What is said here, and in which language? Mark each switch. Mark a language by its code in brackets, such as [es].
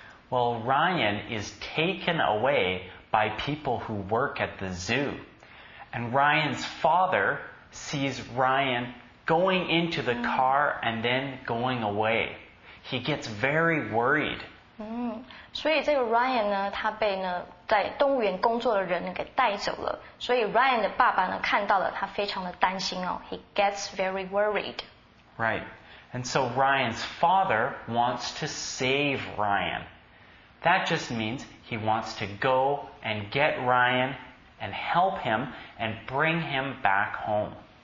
[en] Well, Ryan is taken away by people who work at the zoo. And Ryan's father sees Ryan going into the car and then going away. He gets very worried. [zh] 所以这个 Ryan 呢，他被呢在动物园工作的人给带走了。所以 Ryan 的爸爸呢看到了，他非常的担心哦。 [en] He gets very worried. Right. And so Ryan's father wants to save Ryan. That just means he wants to go and get Ryan and help him and bring him back home.